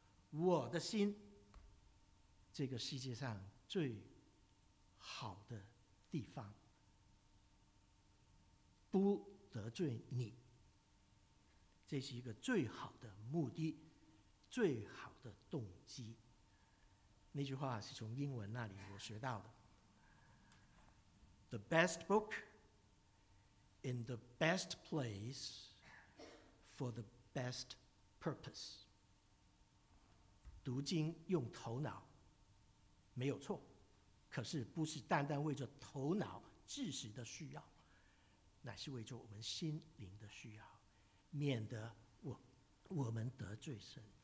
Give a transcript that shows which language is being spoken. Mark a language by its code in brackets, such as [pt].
[zh] 我的心，这个世界上最好的地方，不得罪你，这是一个最好的目的，最好的动机。那句话是从英文那里我学到的。 [en] The best book in the best place for the best purpose. [zh] 读经用头脑没有错，可是不是单单为着头脑知识的需要，乃是为着我们心灵的需要，免得我们得罪神。